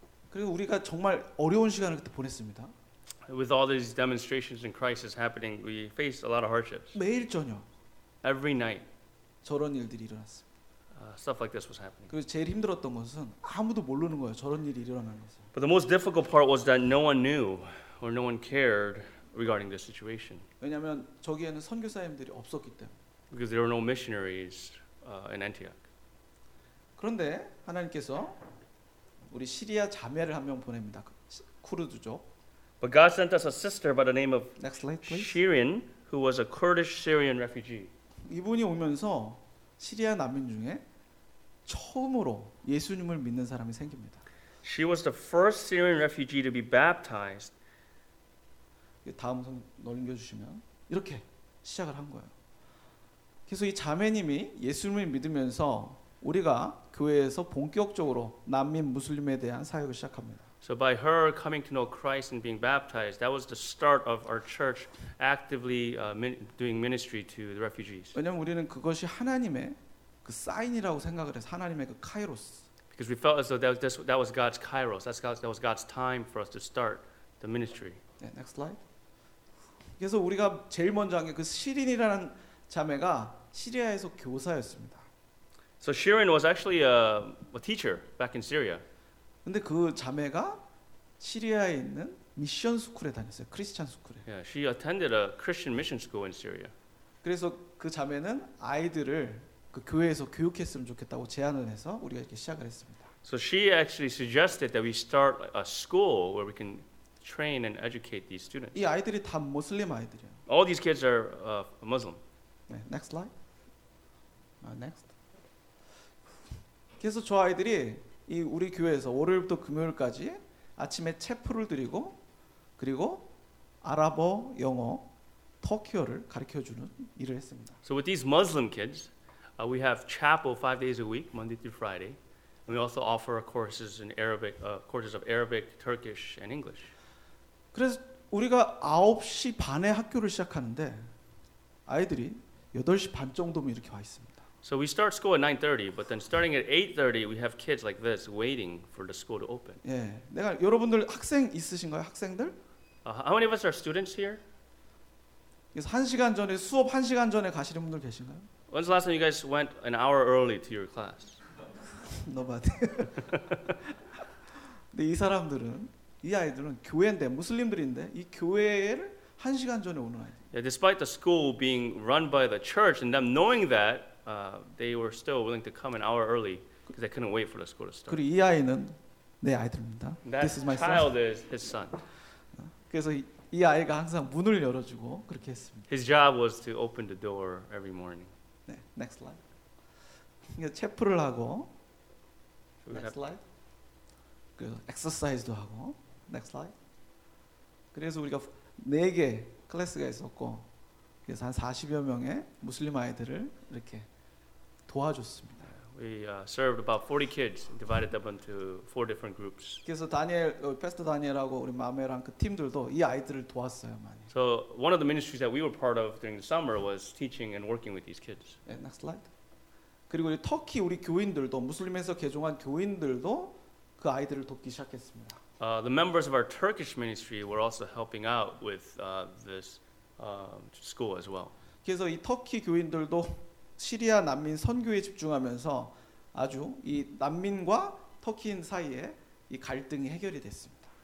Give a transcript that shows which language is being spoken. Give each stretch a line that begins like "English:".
Korean: 그리고 우리가 정말 어려운 시간을 그때 보냈습니다.
English: With all these demonstrations and crises happening, we faced a lot of hardships.
Korean: 매일 저녁.
English: Every night.
Korean: 저런 일들이 일어났습니다.
English: Stuff like this was happening.
Korean: 그리고 제일 힘들었던 것은 아무도 모르는 거예요. 저런 일이 일어나는 것을.
English: But the most difficult part was that no one knew or no one cared regarding the situation.
Korean: 왜냐하면 저기에는 선교사님들이 없었기 때문에.
English: Because there were no missionaries in Antioch.
Korean: 그런데 하나님께서 우리 시리아 자매를 한 명 보냅니다. 쿠르드죠.
English: But God sent us a sister by the name of slide, Shirin, who was a Kurdish-Syrian refugee.
Korean: 이분이 오면서 시리아 난민 중에 처음으로 예수님을 믿는 사람이 생깁니다.
English: She was the first Syrian refugee to be baptized.
Korean: 다음 성 넘겨주시면 이렇게 시작을 한 거예요. 그래서 이 자매님이 예수님을 믿으면서 우리가 교회에서 본격적으로 난민 무슬림에 대한 사역을 시작합니다.
English: So by her coming to know Christ and being baptized, that was the start of our church actively doing ministry to the refugees.
Korean: 왜냐하면 우리는 그것이 하나님의 그 사인이라고 생각을 해서 하나님의 그 카이로스.
English: Because we felt as though that was God's kairos. That was God's time for us to start the ministry. Yeah, next slide.
Korean: 그래서 우리가 제일 먼저 한 게 그 시린이라는 자매가 시리아에서 교사였습니다.
English: So Shirin was actually a teacher back in Syria.
Korean: 근데 그 자매가 시리아에 있는 미션 스쿨에 다녔어요. 크리스천 스쿨에.
English: Yeah, she attended a Christian mission school in Syria.
Korean: 그래서 그 자매는 아이들을 그 교회에서 교육했으면 좋겠다고 제안을 해서 우리가 이렇게 시작을 했습니다.
English: So she actually suggested that we start a school where we can train and educate these students.
Korean: 이 아이들이 다 무슬림 아이들이에요.
English: All these kids are Muslim.
Korean: 네,
English: next slide. Next.
Korean: 그래서 저 아이들이 이 우리 교회에서 월요일부터 금요일까지 아침에 체플을 드리고 그리고 아랍어, 영어, 터키어를 가르쳐 주는 일을 했습니다.
English: So with these Muslim kids, we have chapel 5 days a week, Monday through Friday. And we also offer courses in Arabic, courses of Arabic, Turkish and English.
Korean: 그래서 우리가 9시 반에 학교를 시작하는데 아이들이 8시 반 정도면 이렇게 와 있습니다.
English: So we start school at 9:30, but then starting at 8:30, we have kids like this waiting for the school to open.
Korean: 예, 내가 여러분들 학생 있으신가요, 학생들?
English: How many of us are students here?
Korean: 그래서 한 시간 전에 수업 한 시간 전에 가시는 분들 계신가요?
English: When's the last time you guys went an hour early to your class? Nobody.
Korean: 근데 이 사람들은 이 아이들은 교회인데 무슬림들인데 이 교회를 한 시간 전에 오는 아이들.
English: Yeah, despite the school being run by the church and them knowing that. They were still willing to come an hour early because they couldn't wait for the school to start.
Korean: 그리고 이 아이는 내 아이들입니다.
English: That this is my child son. Is his son.
Korean: 그래서 이 아이가 항상 문을 열어주고 그렇게 했습니다.
English: His job was to open the door every morning.
Korean: 네,
English: next slide.
Korean: 그러니까 체플을 하고 next slide. 그래서 exercise도 하고
English: next slide.
Korean: 그래서 우리가 네 개 클래스가 있었고. 그래서 한 40여 명의 무슬림 아이들을 이렇게 도와줬습니다.
English: We served about 40 kids, divided them into four different groups.
Korean: 그래서 다니엘, 패스터 다니엘하고 우리 마메랑 그 팀들도 이 아이들을 도왔어요 많이.
English: So one of the ministries that we were part of during the summer was teaching and working with these kids. Yeah, next slide.
Korean: 그리고 우리 터키 우리 교인들도 무슬림에서 개종한 교인들도 그 아이들을 돕기 시작했습니다.
English: The members of our Turkish ministry were also helping out with this school as well.
Korean: 그래서 이 터키 교인들도 시리아 난민 선교에 집중하면서 아주 이 난민과 터키인 사이에 이 갈등이 해결이 됐습니다.